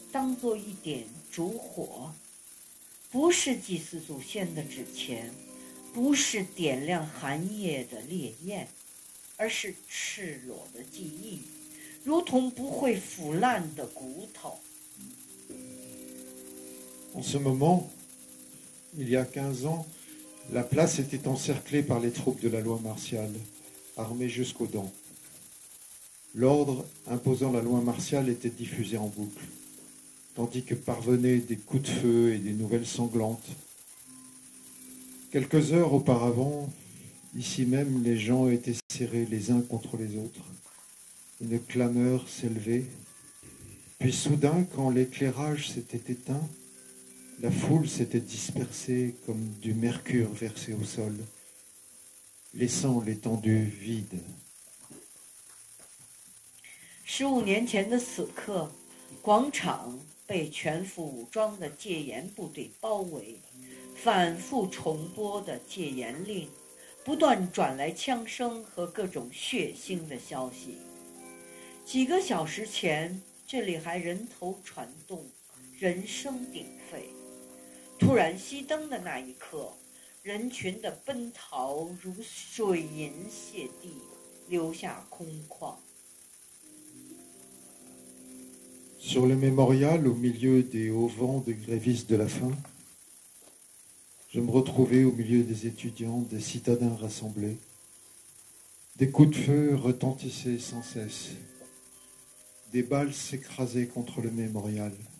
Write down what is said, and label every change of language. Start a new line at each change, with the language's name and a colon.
Chinese: 今夜，在这座没有祭坛的城市，我希望亡灵看着我的眼睛，把我的注视当做一点烛火。不是祭祀祖先的纸钱，不是点亮寒夜的烈焰，而是赤裸的记忆，如同不会腐烂的骨头。
French: En ce moment, il y a 15 ans, la place était encerclée par les troupes de la loi martiale, armées jusqu'aux dents. L'ordre imposant la loi martiale était diffusé en boucle. Tandis que parvenaient des coups de feu et des nouvelles sanglantes. Quelques heures auparavant, ici même, les gens étaient serrés les uns contre les autres. Une clameur s'élevait. Puis soudain, quand l'éclairage s'était éteint, la foule s'était dispersée comme du mercure versé au sol, laissant l'étendue vide.
Chinese: 15年前的此刻，广场 被全副武装的戒严部队包围，反复重播的戒严令，不断转来枪声和各种血腥的消息。几个小时前，这里还人头攒动，人声鼎沸。突然熄灯的那一刻，人群的奔逃如水银泻地，留下空旷。
French: Sur le mémorial, au milieu des hauts vents de grévistes de la faim, je me retrouvais au milieu des étudiants, des citadins rassemblés. Des coups de feu retentissaient sans cesse. Des balles s'écrasaient contre le mémorial.